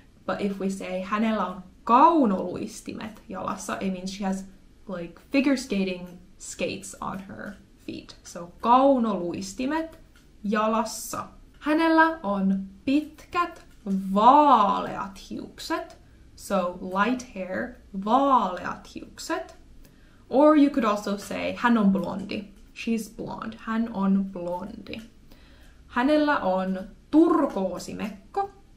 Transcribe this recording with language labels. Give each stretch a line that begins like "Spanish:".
English: But if we say
Finnish: hänellä on kaunoluistimet jalassa,
English: it means she has like figure skating skates on her feet.
Finnish: So, kaunoluistimet jalassa. Hänellä on pitkät vaaleat hiukset.
English: So, light hair,
Finnish: vaaleat hiukset.
English: Or you could also say
Finnish: hän on blondi.
English: She's blonde.
Finnish: Hän on blondi. Hänellä on turkoosimekko.